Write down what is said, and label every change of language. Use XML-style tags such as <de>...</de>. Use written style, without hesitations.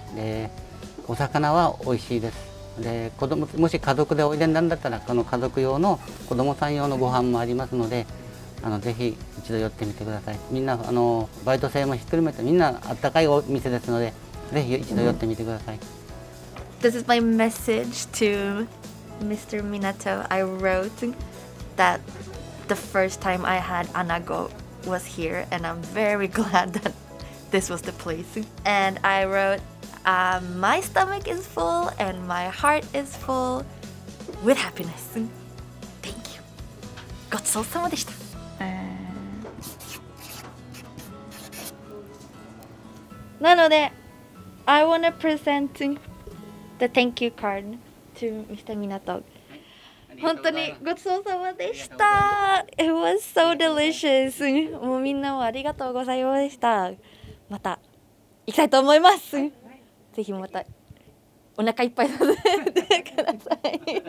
<ja>でお魚は美味しいです。で子供、もし家族でおいでなんだったら、この家族用の子供さん用のご飯もありますので、ぜひ一度寄ってみてください。みんなバイト生もひっくるめてみんなあったかいお店ですので、ぜひ一度寄ってみてください、</ja> <en>うん、This is my message to Mr. Minato. I wrote that the first time I had anago was here and I'm very glad thatThis was the place. And I wrote, my stomach is full and my heart is full with happiness. Thank you.</en> <ja>ごちそうさまでした。なので、</ja> <en>I want to present the thank you card to Mr. Minato.</en> <ja>本当にごちそうさまでした。</ja> <en>It was so delicious.</en> <ja>もうみんなもありがとうございました。また行きたいと思います。ぜひまたお腹いっぱいさせてください。</ja>